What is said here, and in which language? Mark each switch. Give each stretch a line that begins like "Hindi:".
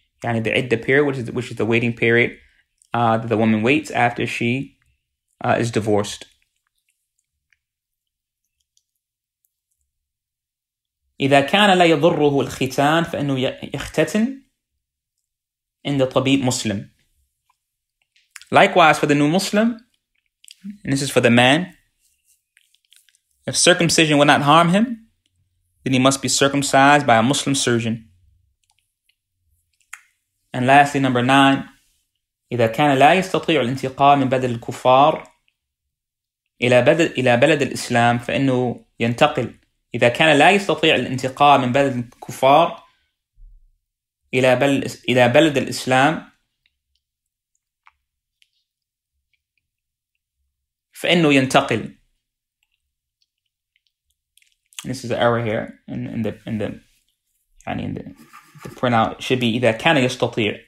English: Yani the iddah period, which is the waiting period that the woman waits after she is divorced.
Arabic: إذا كان لا يضره الختان فإنه يختتن عند طبيب مسلم.
English: Likewise for the new Muslim, and this is for the man, if circumcision will not harm him, then he must be circumcised by a Muslim surgeon. And lastly, number 9,
Arabic: إذا كان لا يستطيع الانتقال من بلد الكفار إلى بلد الإسلام فإنه ينتقل. إذا كان لا يستطيع الانتقال من بلد الكفار إلى بلد الإسلام فإنه ينتقل.
English: This is an error here in the يعني in the printout. It should be
Arabic: إذا كان يستطيع.